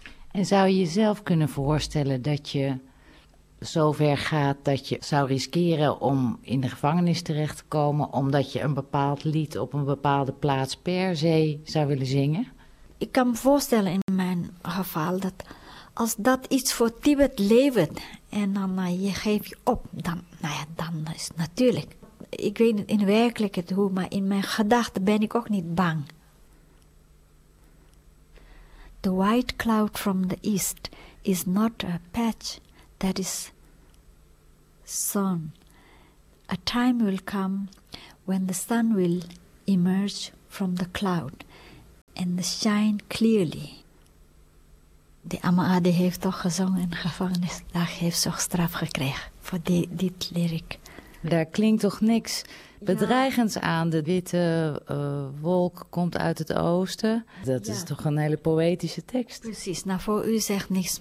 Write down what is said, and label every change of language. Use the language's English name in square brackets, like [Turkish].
[Dutch] En zou je jezelf kunnen voorstellen dat je zover gaat dat je zou riskeren om in de gevangenis terecht te komen, omdat je een bepaald lied op een bepaalde plaats per se zou willen zingen? Ik kan me voorstellen in mijn geval dat als dat iets voor Tibet levert en dan je geeft je op, dan is het natuurlijk. Ik weet niet in werkelijkheid hoe, maar in mijn gedachten ben ik ook niet bang. [English] The white cloud from the east is not a patch that is sown. A time will come when the sun will emerge from the cloud and shine clearly. [Dutch] De Amade heeft toch gezongen in gevangenis. Daar heeft ze ook straf gekregen voor dit lyric. Daar klinkt toch niks bedreigends aan. De witte wolk komt uit het oosten. Dat is toch een hele poëtische tekst. Precies. Nou, voor u zegt niks.